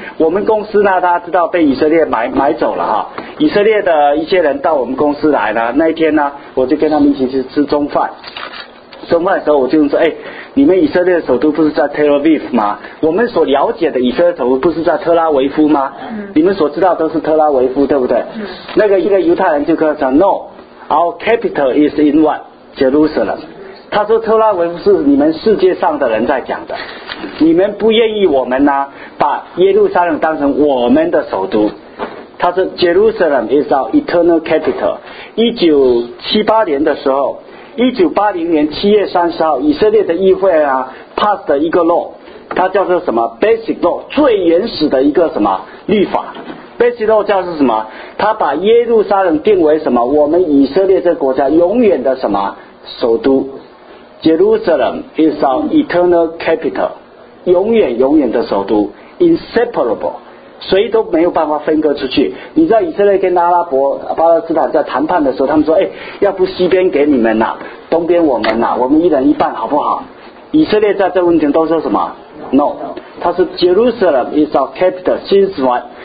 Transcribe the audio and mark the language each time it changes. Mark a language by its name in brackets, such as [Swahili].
[Chinese] 我们公司呢，大家知道被以色列买走了哈。以色列的一些人到我们公司来了，那一天呢，我就跟他们一起去吃中饭。中饭的时候，我就说：“哎，你们以色列的首都不是在 Tel Aviv 吗？我们所了解的以色列首都不是在特拉维夫吗？你们所知道都是特拉维夫，对不对？” 那个一个犹太人就跟他讲 ： [English] “No， our capital is in what Jerusalem。” [Chinese] 他说特拉维夫是你们世界上的人在讲的，你们不愿意我们呢把耶路撒冷当成我们的首都。他说 [English] Jerusalem is our eternal capital。 [Chinese] 1978年的时候，1980年7月30号以色列的议会啊 passed 一个 law， 它叫做什么 basic law， 最原始的一个什么律法。 basic law 叫做什么？它把耶路撒冷定为什么我们以色列这个国家永远的什么首都。 [English] Jerusalem is our eternal capital， [Chinese] 永远永远的首都 ， [English] inseparable， [Chinese] 谁都没有办法分割出去。你知道以色列跟阿拉伯、巴勒斯坦在谈判的时候，他们说：“哎，要不西边给你们呐、啊，东边我们呐、啊，我们一人一半，好不好？” 以色列在这问题都说什么 ？ [English] No， [Chinese] 他说 [English] Jerusalem is our capital since what？